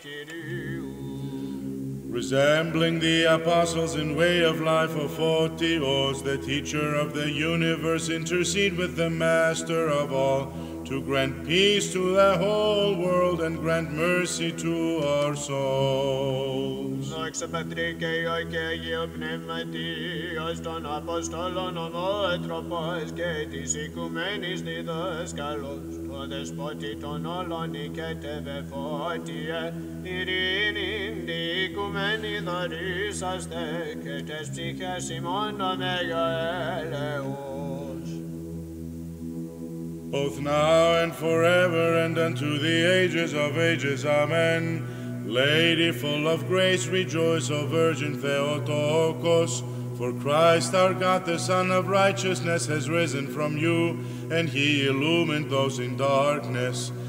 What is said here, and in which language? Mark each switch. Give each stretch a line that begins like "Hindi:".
English: Resembling the apostles in way of life of Photios, the teacher of the universe, intercede with the master of all to grant peace to the whole world and grant mercy to our souls.
Greek: Δόξα Πατρί και Υιώ και Αγίω Πνεύματι, ως των Αποστόλων ο Μότροπος και της Οικουμένης Διδασκαλός, το Δεσπότη των όλων οικέτευε φώτιε, ειρήνη τη Οικουμένη δωρήσαστε και τες ψυχές ημών το Μέγιο Έλεος.
English: Both now and forever and unto the ages of ages. Amen. Lady full of grace, rejoice, O Virgin Theotokos. For Christ our God, the Son of Righteousness, has risen from you, and He illumined those in darkness.